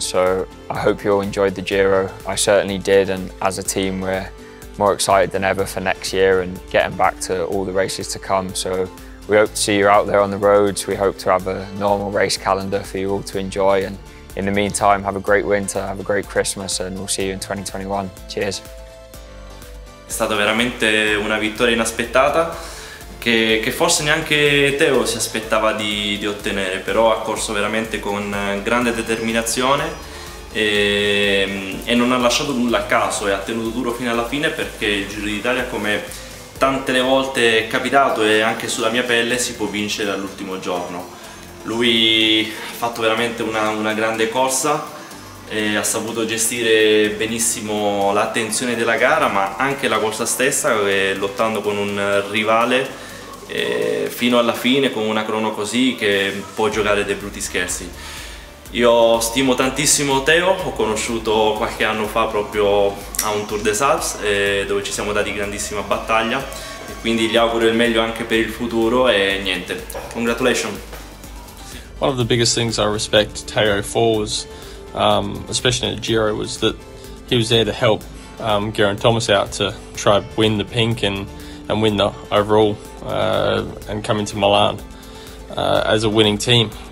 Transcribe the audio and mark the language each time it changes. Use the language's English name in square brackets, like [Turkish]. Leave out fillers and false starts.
[English] So I hope you all enjoyed the Giro. I certainly did, and as a team, we're more excited than ever for next year and getting back to all the races to come. So we hope to see you out there on the roads. We hope to have a normal race calendar for you all to enjoy. And in the meantime, have a great winter, have a great Christmas, and we'll see you in 2021. Cheers. [Italian] È stata veramente una vittoria inaspettata che forse neanche Teo si aspettava di ottenere, però ha corso veramente con grande determinazione e non ha lasciato nulla a caso e ha tenuto duro fino alla fine, perché il Giro d'Italia, come tante le volte è capitato e anche sulla mia pelle, si può vincere all'ultimo giorno. Lui ha fatto veramente una grande corsa. E ha saputo gestire benissimo l'attenzione della gara, ma anche la corsa stessa, lottando con un rivale fino alla fine con una crono così che può giocare dei brutti scherzi. Io stimo tantissimo Teo, ho conosciuto qualche anno fa proprio a un Tour des Alpes dove ci siamo dati grandissima battaglia, e quindi gli auguro il meglio anche per il futuro e niente, congratulations. [English] One of the biggest things I respect Teo for was especially in the Giro, was that he was there to help Geraint Thomas out to try win the pink and win the overall and come into Milan as a winning team.